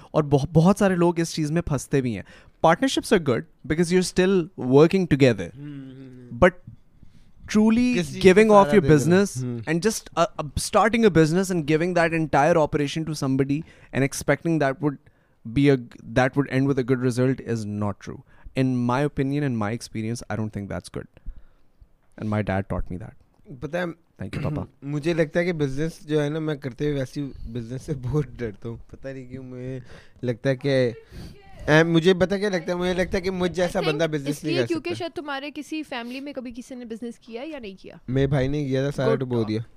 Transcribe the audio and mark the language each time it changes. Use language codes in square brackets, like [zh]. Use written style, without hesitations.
[hi] और बहुत सारे लोग इस चीज़ में फंसते भी हैं. [en] Partnerships are good because you are still working together, but truly giving off your business and just starting a business and giving that entire operation to somebody and expecting that would be a that would and with a good result is not true. In my opinion and my experience, I don't think that's good. And my dad taught me that. But then, thank you, Papa. [hi] मुझे लगता है कि business जो है ना, मैं करते हुए वैसी business से बहुत डरता हूँ. पता नहीं क्यों, मुझे लगता है कि मुझे पता क्या लगता है, मुझे लगता है कि मुझ जैसा बंदा बिजनेस नहीं कर सकता. क्योंकि शायद तुम्हारे किसी फैमिली में कभी किसी ने बिजनेस किया या नहीं किया. मेरे भाई ने किया था, सारे डुबो दिया.